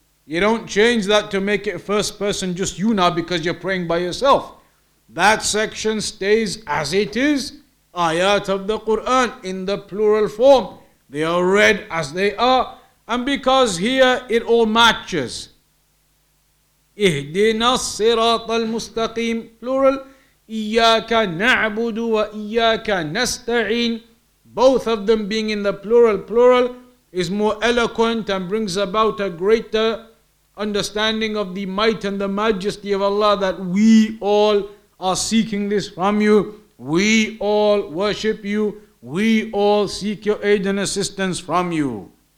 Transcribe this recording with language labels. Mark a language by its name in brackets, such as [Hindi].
[English] You don't change that to make it first person, just you now, because you're praying by yourself. That section stays as it is, ayat of the Quran in the plural form. They are read as they are. And because here it all matches. [Arabic] اهدنا الصراط المستقيم plural إياك نعبد وإياك نستعين. [English] Both of them being in the plural is more eloquent and brings about a greater understanding of the might and the majesty of Allah, that we all are seeking this from you, we all worship you, we all seek your aid and assistance from you.